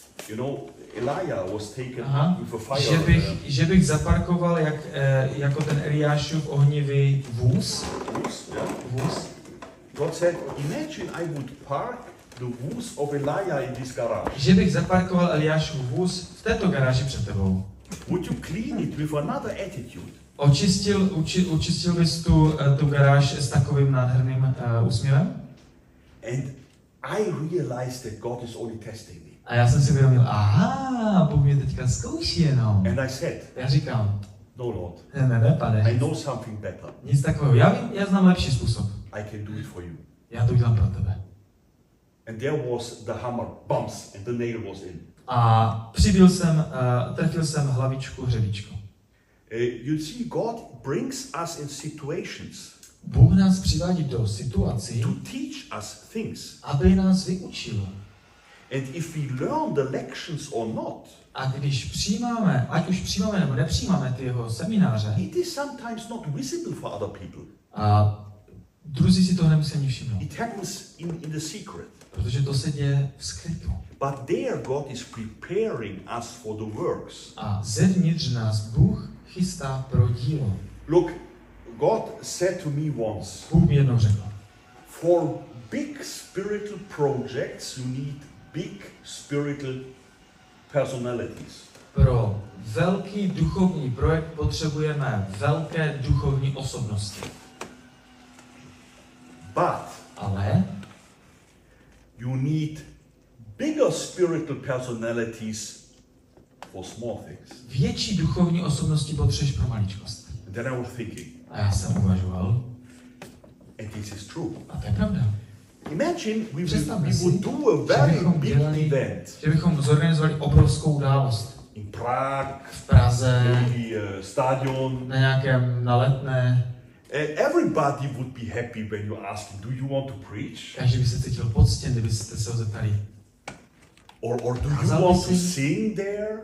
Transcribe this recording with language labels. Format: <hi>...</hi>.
<en>You know, Elijah was taken up with a fire.</en> <cs>Že bych zaparkoval jako ten Eliášův ohnivý vůz. Vůz, yeah. Vůz.</cs> <en>God said, imagine I would park the vůz of Elijah in this garage.</en> <cs>Že bych zaparkoval Eliášův vůz v této garáži před tebou.</cs> <en>Would you clean it with another attitude?</en> <cs>Očistil bys tu garáž s takovým nádherným úsměvem?</cs> <en>And I realized that God is only testing me.</en> <cs>A já jsem si uvědomil, aha, Bůh mě teďka zkouší jenom.</cs> <en>And I said,</en> <cs>já říkám,</cs> <en>no Lord,</en> <cs>ne, pane,</cs> <en>I know something better.</en> <cs>Nic takového, já znám lepší způsob.</cs> <en>I can do it for you.</en> <cs>Já to udělám pro tebe.</cs> <en>And there was the hammer, bumps, and the nail was in.</en> <cs>A přibil jsem, trefil jsem hlavičku hřebíčko.</cs> <en>You see, God brings us in situations.</en> <cs>Bůh nás přivádí do situací,</cs> <en>to teach us things.</en> <cs>Aby nás vyučil.</cs> <en>And if we learn the lections or not,</en> <cs>a když přijímáme, ať už přijímáme nebo nepřijímáme ty jeho semináře,</cs> <en>it is sometimes not visible for other people.</en> <cs>A druzí si toho nemusí ani všimnout.</cs> <en>It happens in the secret.</en> <cs>Protože to se děje v skrytu.</cs> <en>But there God is preparing us for the works.</en> <cs>A zevnitř nás Bůh chystá pro dílo.</cs> <en>Look, God said to me once.</en> <cs>Bůh mi jednou řekl.</cs> <en>For big spiritual projects you need big spiritual personalities.</en> <cs>Pro velký duchovní projekt potřebujeme velké duchovní osobnosti.</cs> <en>But</en> <cs>ale</cs> <en>you need bigger spiritual personalities for small things.</en> <cs>Větší duchovní osobnosti potřebuješ pro maličkost.</cs> <en>Then I was thinking.</en> <cs>A já jsem uvažoval.</cs> <en>And this is true.</en> <cs>A to je pravda.</cs> <en>Imagine we would do a very big event.</en> <cs>Že bychom zorganizovali obrovskou událost.</cs> <en>In Prague,</en> <cs>v Praze,</cs> <en>maybe stadion,</en> <cs>na nějakém na Letné.</cs> <en>Everybody would be happy when you ask, do you want to preach?</en> <cs>Každý by se cítil poctěn, kdybyste se ho zeptali.</cs> <en>Or do you want to sing there?</en>